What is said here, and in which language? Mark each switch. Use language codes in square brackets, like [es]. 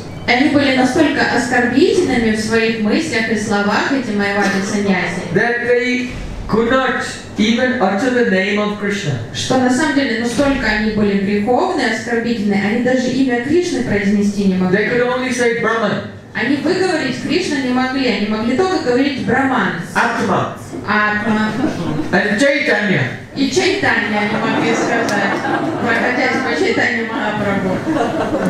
[ru] Они были настолько оскорбительными в своих мыслях и словах, эти майявади саньяси. [en] That they could not even utter the name of Krishna. [ru] Что на самом деле настолько они были греховны, оскорбительны, они даже имя Кришны произнести не могли. [en] They could only say Brahman. [ru] Они выговорить Кришна не могли, они могли только говорить Брахман. Атма. Атма. [en] And Чайтанья. [ru] И Чайтанья они могли сказать. Мы хотим Чайтанья Махапрабху.